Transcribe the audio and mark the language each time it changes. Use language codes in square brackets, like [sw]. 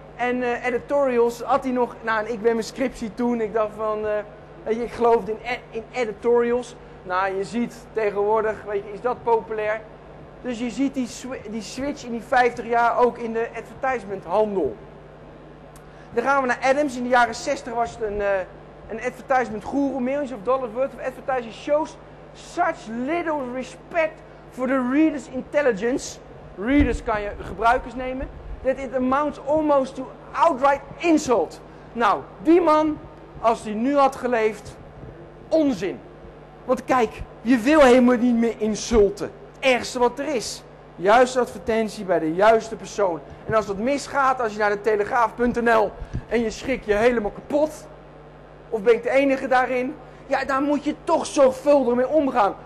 [nl] En editorials had hij nog, nou en ik ben mijn scriptie toen, ik dacht van, ik geloofde in editorials. Nou, je ziet tegenwoordig, weet je, is dat populair. Dus je ziet die switch in die 50 jaar ook in de advertisementhandel. Dan gaan we naar Adams. In de jaren 60 was het een advertisement guru. [en] Millions of dollars worth of advertising shows such little respect for the reader's intelligence. [nl] Readers kan je gebruikers nemen. [en] That it amounts almost to outright insult. [nl] Nou, die man, als die nu had geleefd, onzin. Want kijk, je wil helemaal niet meer insulten. Het ergste wat er is. Juiste advertentie bij de juiste persoon. En als dat misgaat, als je naar de telegraaf.nl en je schrik je helemaal kapot. Of ben ik de enige daarin. Ja, daar moet je toch zorgvuldig mee omgaan.